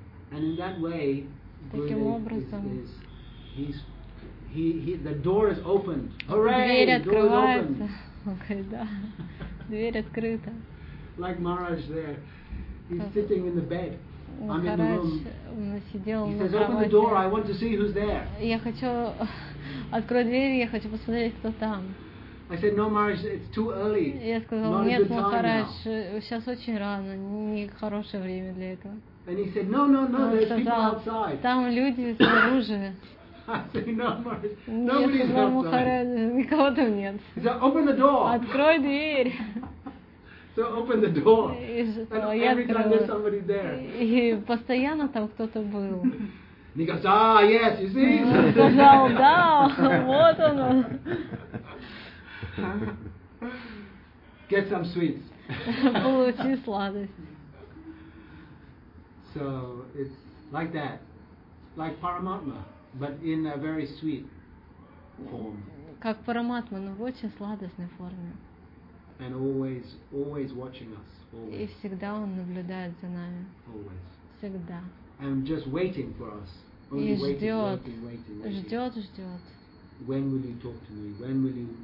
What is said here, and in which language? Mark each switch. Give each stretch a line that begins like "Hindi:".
English: And in that way, Gurudev is the door is opened. Hooray! The door is opened.
Russian: Okay, да. Дверь открыта.
English: Like Maharaj there, he's sitting in the bed. I'm in the room.
Russian: Сидел
English: he says, open the door. I want to see who's there.
Russian: Я хочу открой дверь, я хочу посмотреть, кто там.
English: I said, no, Maharaj, it's too early.
Russian: Я сказал, нет, Махарадж, сейчас очень рано, не хорошее время для этого.
English: And he said, no, there's people outside.
Russian: Там люди снаружи.
English: I said, no, Maharaj, nobody's outside. Махарадж,
Russian: никого там нет.
English: He said, open the door.
Russian: Открой дверь.
English: So open the door. And every time there's somebody there.
Russian: И постоянно там кто-то был.
English: He goes, ah, yes, you see?
Russian: Сказал, да, вот оно.
English: Get some sweets.
Russian: Получи сладость.
English: So, it's like that. Like Paramatma, but in a very sweet form.
Russian: Как Параматма, но в очень сладостной форме.
English: And always, always watching us. Always.
Russian: И всегда он наблюдает за нами.
English: Always.
Russian: Всегда.
English: And just waiting for us.
Russian: И ждет.
English: When will you talk to me? When will you?